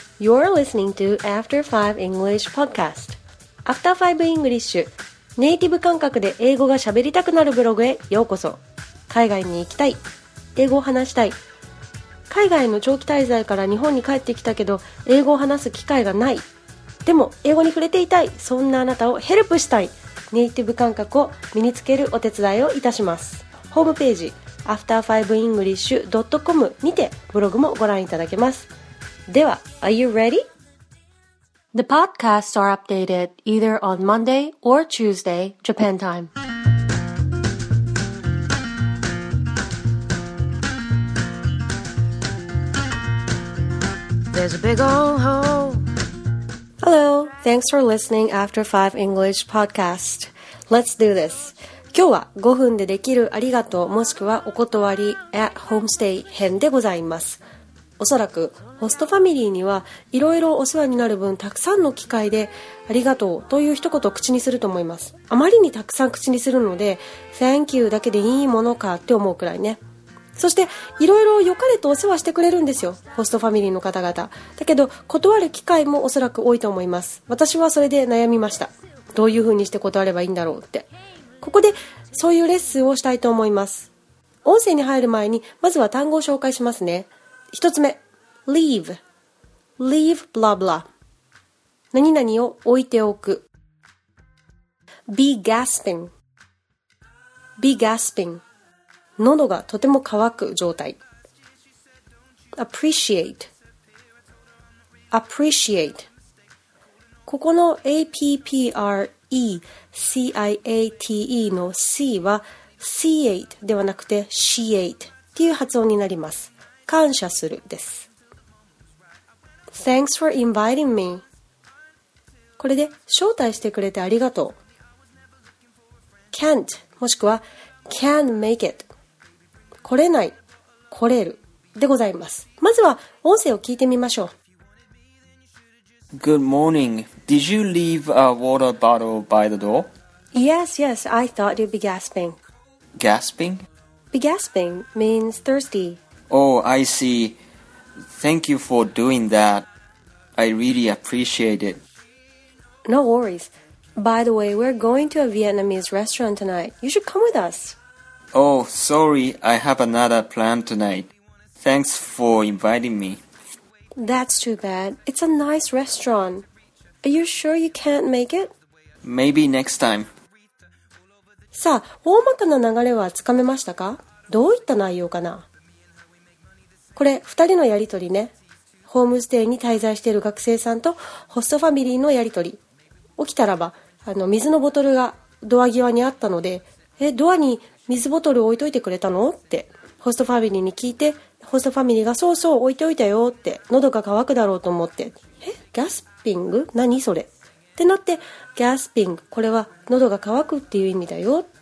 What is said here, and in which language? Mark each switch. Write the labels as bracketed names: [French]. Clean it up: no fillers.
[English] You're listening to After 5 English Podcast. After 5 English. [Japanese] ネイティブ感覚で英語が喋りたくなるブログへようこそ。海外に行きたい。英語を話したい。海外の長期滞在から日本に帰ってきたけど、英語を話す機会がない。でも、英語に触れていたい。そんなあなたをヘルプしたい。ネイティブ感覚を身につけるお手伝いをいたします。ホームページ、after5english.com にてブログもご覧いただけます。 [English] では、Are you ready? The podcasts are updated either on Monday or Tuesday, Japan time. There's a big old hole. Hello, thanks for listening After 5 English podcast. Let's do this. [Japanese] 今日は5分でできるありがとうもしくはお断り [English] at homestay [Japanese] 編でございます。おそらくホストファミリーにはいろいろお世話になる分たくさんの機会でありがとうという一言を口にすると思います。あまりにたくさん口にするので [English] Thank you [Japanese] だけでいいものかって思うくらいね。そしていろいろ良かれとお世話してくれるんですよ、ホストファミリーの方々。だけど断る機会もおそらく多いと思います。私はそれで悩みました。どういうふうにして断ればいいんだろうって。ここでそういうレッスンをしたいと思います。音声に入る前にまずは単語を紹介しますね。 [English] 一つ目、leave, leave blah blah. [Japanese] 何々を置いておく。 [English] be gasping, be gasping. [Japanese] 喉がとても渇く状態。 [English] appreciate, appreciate. [Japanese] ここの appreciate の c は c8 ではなくて c8 っていう発音になります。感謝するです。 [English] Thanks for inviting me. [Japanese] これで招待してくれてありがとう。 [English] Can't もしくは can make it。 [Japanese] 来れない、来れるでございます。まずは音声を聞いてみましょう。 [English] Good morning. Did you leave a water bottle by the door? Yes, yes. I thought you'd be gasping. Gasping? Be gasping means thirsty. Oh, I see. Thank you for doing that. I really appreciate it. No worries. By the way, we're going to a Vietnamese restaurant tonight. You should come with us. Oh, sorry. I have another plan tonight. Thanks for inviting me. That's too bad. It's a nice restaurant. Are you sure you can't make it? Maybe next time. [Japanese] さあ、大まかな流れはつかめましたか？どういった内容かな？これ2人のやりとりね。ホームステイに滞在している学生さんとホストファミリーのやりとり。起きたらば水のボトルがドア際にあったので、ドアに水ボトル置いといてくれたのってホストファミリーに聞いて、ホストファミリーがそうそう置いておいたよって、喉が渇くだろうと思って、ギャスピング何それってなって、ギャスピングこれは喉が渇くっていう意味だよ。